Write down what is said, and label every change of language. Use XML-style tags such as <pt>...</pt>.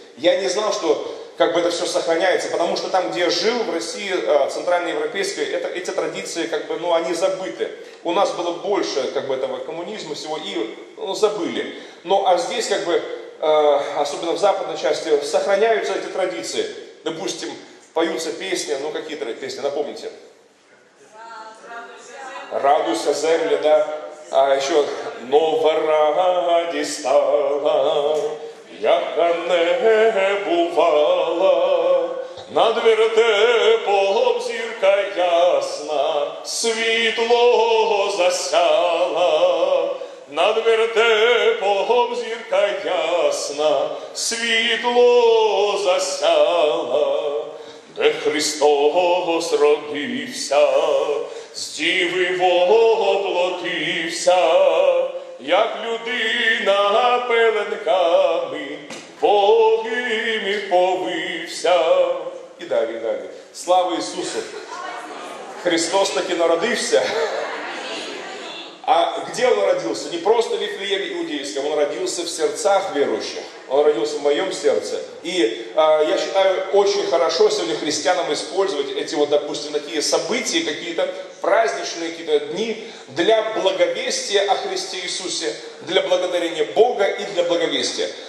<ru>Я не знал, что как бы это все сохраняется, потому что там, где я жил, в России, центральноевропейской, эти традиции, как бы, ну, они забыты. У нас было больше, как бы, этого коммунизма всего, и, ну, забыли. Но, а здесь, как бы, особенно в западной части, сохраняются эти традиции. Допустим, поются песни, ну, какие-то песни, напомните. «Радуйся, земля», да.</ru> <uk>А еще «Нова раді стала, яка не бувала, над вертепом зірка ясна, світло засяла, над вертепом зірка ясна, світло засяла, де Христос родився, з діви воплотився, як людина пеленками, Богом і повився». І далі, і далі. Слава Ісусу! Христос таки народився.</uk> <ru>А где Он родился? Не просто в Вифлееме Иудейском, Он родился в сердцах верующих, Он родился в моем сердце. И я считаю, очень хорошо сегодня христианам использовать эти вот, допустим, такие события какие-то, праздничные какие-то дни для благовестия о Христе Иисусе, для благодарения Бога и для благовестия.</ru>